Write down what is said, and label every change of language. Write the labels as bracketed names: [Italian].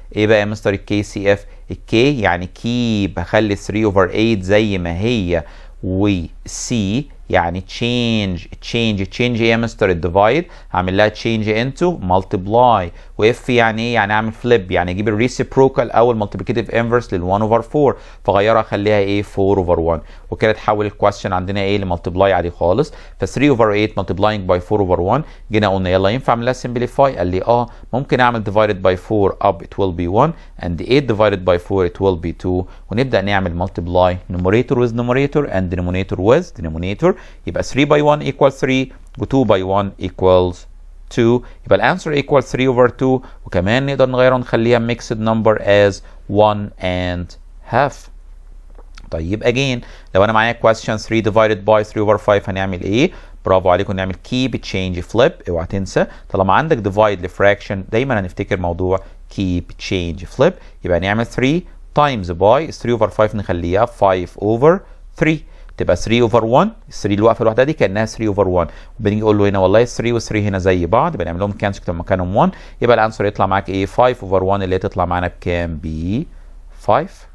[Arabic] ايه بقى يا مستر الكي سي اف؟ الكي يعني كي، بخلي 3 over 8 زي ما هي، و سي يعني change ايه يا مستر؟ الديفايد، هعمل لها [English] change into multiply، [Arabic] و اف يعني ايه؟ يعني اعمل flip، يعني اجيب الريسيبروكال او المالتيبيكيتيف انفرس لل 1 over 4، فغيرها اخليها ايه؟ 4 over 1، وكده تحول الكويشن عندنا ايه؟ لمالتيبلاي عادي خالص. ف 3 over 8 multiplying by 4 over 1، جينا قلنا يلا ينفع اعمل لها simplify؟ قال لي اه، ممكن اعمل divided by 4 up [English] it will be 1 and 8 divided by 4 it will be 2، [Arabic] ونبدا نعمل [English] multiply numerator with numerator and denominator with denominator. يبقى 3 by 1 equals 3 و 2 by 1 equals 2، يبقى الانسر equals 3 over 2، [Arabic] وكمان نقدر نغيرها ونخليها [English] mixed number as 1 and half. [Arabic] طيب again، لو انا معايا question 3 divided by 3 over 5 هنعمل ايه؟ برافو عليكم، نعمل [English] keep change flip. [Arabic] اوعى تنسى طالما عندك divide لفراكشن دايما هنفتكر موضوع [English] keep change flip. [Arabic] يبقى نعمل 3 times by 3 over 5 نخليها 5 over 3، تبقى 3 over 1، 3 الوقفه الواحده دي كانها 3 over 1، وبنيجي نقول له هنا والله 3 و 3 هنا زي بعض، بنعملهم كانسل كده مكانهم 1، يبقى الانسر يطلع معاك ايه؟ 5 over 1 اللي هي تطلع معانا بكام؟ ب 5.